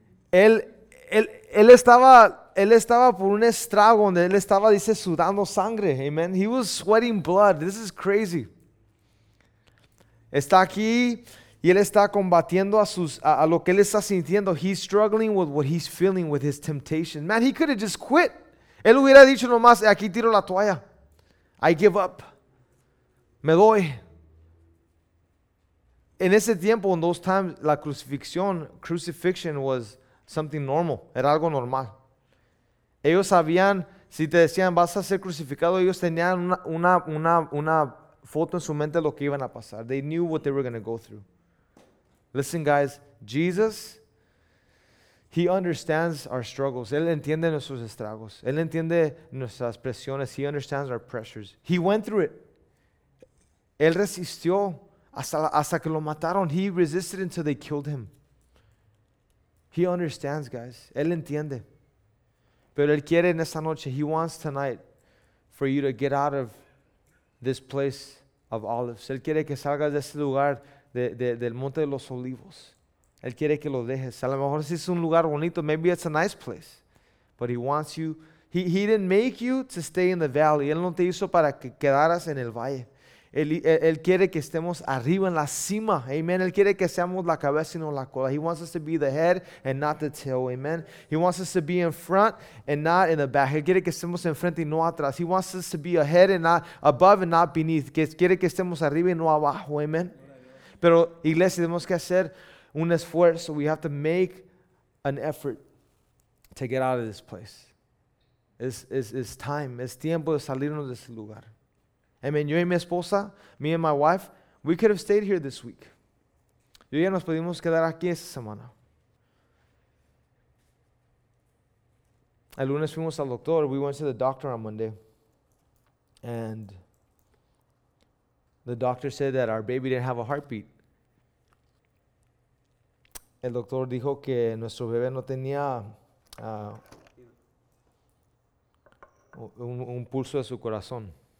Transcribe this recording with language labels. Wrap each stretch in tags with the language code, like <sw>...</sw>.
<es>Él estaba por un estrago donde él estaba, dice, sudando sangre. Amén.</es> <en>He was sweating blood. This is crazy.</en> <es>Está aquí y él está combatiendo a lo que él está sintiendo.</es> <en>He's struggling with what he's feeling with his temptation. Man, he could have just quit.</en> <es>Él hubiera dicho nomás, aquí tiro la toalla.</es> <en>I give up.</en> <es>Me doy. En ese tiempo, en</es> <en>those times,</en> <es>la crucifixion was something normal. Era algo normal. Ellos sabían, si te decían, vas a ser crucificado, ellos tenían una foto en su mente de lo que iban a pasar.</es> <en>They knew what they were going to go through. Listen, guys. Jesus, he understands our struggles.</en> <es>Él entiende nuestros estragos. Él entiende nuestras presiones.</es> <en>He understands our pressures. He went through it.</en> <es>Él resistió hasta que lo mataron.</es> <en>He resisted until they killed him. He understands, guys.</en> <es>Él entiende. Pero él quiere en esta noche,</es> <en>he wants tonight for you to get out of this place of olives.</en> <es>Él quiere que salgas de ese lugar del Monte de los Olivos. Él quiere que lo dejes. A lo mejor si es un lugar bonito,</es> <en>maybe it's a nice place. But he wants you, he didn't make you to stay in the valley.</en> <es>Él no te hizo para que quedaras en el valle. Él quiere que estemos arriba en la cima. Amen. Él quiere que seamos la cabeza y no la cola.</es> <en>He wants us to be the head and not the tail. Amen. He wants us to be in front and not in the back.</en> <es>Él quiere que estemos enfrente y no atrás.</es> <en>He wants us to be ahead and not above and not beneath.</en> <es>Quiere que estemos arriba y no abajo. Amen. Pero iglesia, tenemos que hacer un esfuerzo.</es> <en>We have to make an effort to get out of this place. It's time.</en> <es>Es tiempo de salirnos de este lugar.</es> <en>Amen.</en> <es>Yo y mi esposa,</es> <en>me and my wife, we could have stayed here this week.</en> <es>Yo ya nos pudimos quedar aquí esta semana. El lunes fuimos al doctor.</es> <en>We went to the doctor on Monday. And the doctor said that our baby didn't have a heartbeat.</en> <es>El doctor dijo que nuestro bebé no tenía un pulso de su corazón.</es>